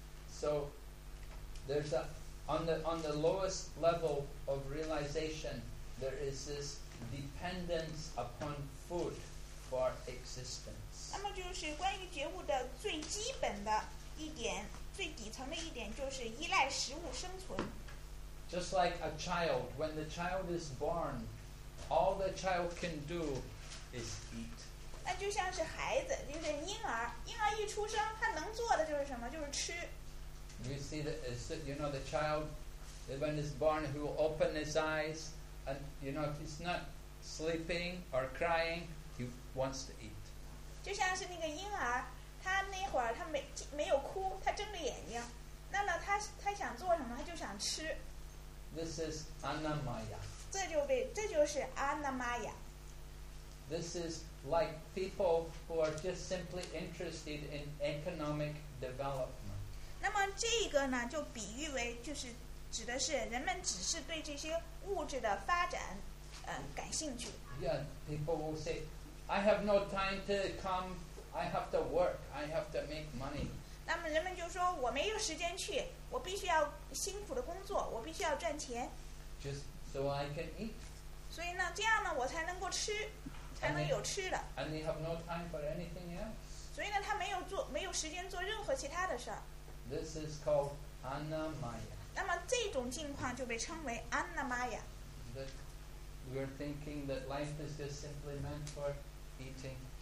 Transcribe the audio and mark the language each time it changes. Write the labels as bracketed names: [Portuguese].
[English] So there's a on the lowest level of realization. There is this dependence upon food for existence. [Chinese] 那么就是关于觉悟的最基本的一点，最底层的一点就是依赖食物生存。 [English] Just like a child, when the child is born, all the child can do is eat. [Chinese] 那就像是孩子，就是婴儿，婴儿一出生，他能做的就是什么？就是吃。 [English] You see the child, when he's born, he will open his eyes. And you know, if he's not sleeping or crying, he wants to eat. [Chinese] 就像是那个婴儿，他那会儿他没有哭，他睁着眼睛，那么他想做什么，他就想吃。 [English] This is Anamaya. [Chinese] 这就是 Anamaya. [English] This is like people who are just simply interested in economic development. [Chinese] 那么这个呢，就比喻为就是指的是人们只是对这些物质的发展感兴趣。 [English] Yeah, people will say, I have no time to come. I have to work. I have to make money. [Chinese] 那么人们就说，我没有时间去，我必须要辛苦的工作，我必须要赚钱。 [English] Just so I can eat. [Chinese] 所以呢，这样呢，我才能够吃，才能有吃的。 [English] And they have no time for anything else. [Chinese] 所以呢，他没有时间做任何其他的事。 [English] This is called Anamaya. [Chinese] 那么这种境况就被称为Anamaya。 [English] That we're thinking that life is just simply meant for eating.